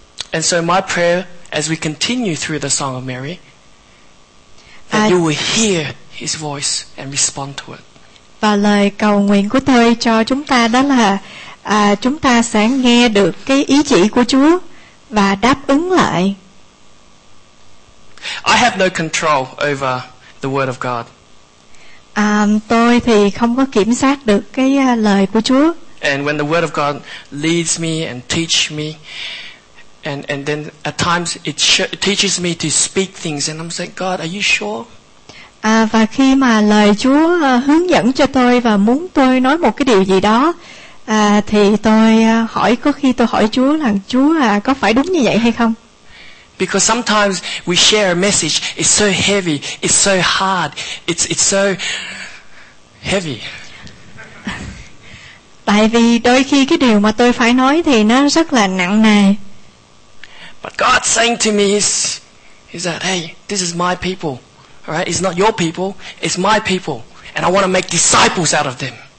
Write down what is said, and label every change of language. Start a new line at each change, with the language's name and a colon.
English: And so my prayer as we continue through the Song of Mary that you will hear His voice and respond to it.
Vietnamese: Và lời cầu nguyện của tôi cho chúng ta đó là chúng ta sẽ nghe được cái ý chỉ của Chúa và đáp ứng lại.
English: I have no control over the word of God.
Vietnamese: Tôi thì không có kiểm soát được cái lời của Chúa.
English: And when the word of God leads me and teach me, and then at times it teaches me to speak things, and I'm saying, God, are you sure?
Vietnamese: Và khi mà lời Chúa hướng dẫn cho tôi và muốn tôi nói một cái điều gì đó, thì tôi hỏi, có khi tôi hỏi Chúa là Chúa có phải đúng như vậy hay không?
English: Because sometimes we share a message, it's so heavy, it's so hard, it's so heavy.
Vietnamese: Tại vì đôi khi cái điều mà tôi phải nói thì nó rất là nặng nề.
English: But God saying to me is that, hey, this is my people, all right? It's not your people, it's my people, and I want to make disciples out of them.